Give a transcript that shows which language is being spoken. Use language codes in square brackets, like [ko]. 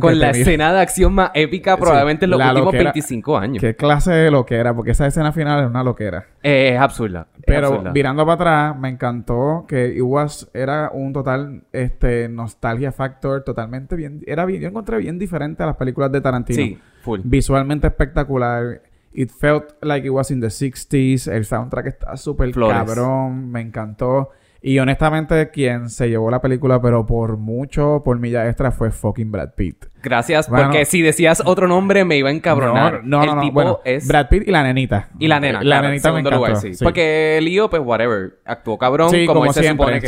[es] Con la escena de acción más épica probablemente, sí, en los últimos 25 años. Qué clase de loquera, porque esa escena final es una loquera. Es absurda. Pero mirando para atrás, me encantó que era un total nostalgia factor, totalmente bien. Yo encontré bien diferente a las películas de Tarantino. Sí, full. Visualmente espectacular. [en] It felt like it was in the 60s. [es] El soundtrack está súper cabrón. Me encantó. Y honestamente, quien se llevó la película, pero por mucho, por milla extra, fue fucking Brad Pitt. Gracias, bueno, porque si decías otro nombre, me iba a encabronar. No. Tipo, bueno, es Brad Pitt y la nenita. Y la nena. La nenita me encantó. Lugar, sí. Sí. Porque Leo, pues whatever, actuó cabrón, sí, como se siempre supone que